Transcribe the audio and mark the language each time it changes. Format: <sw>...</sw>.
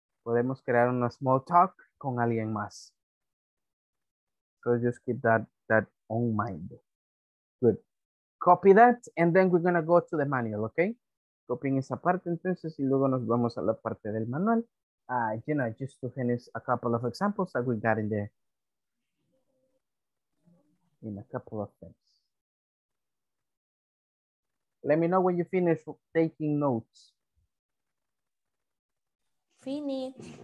<es>Podemos crear una small talk con alguien más.</es> <en>So just keep that on mind. Good. Copy that and then we're going to go to the manual, okay?</en> <es>Copying esa parte entonces y luego nos vamos a la parte del manual.</es> <en>You know, just to finish a couple of examples that we got in there. In a couple of things. Let me know when you finish taking notes. Finish.</en>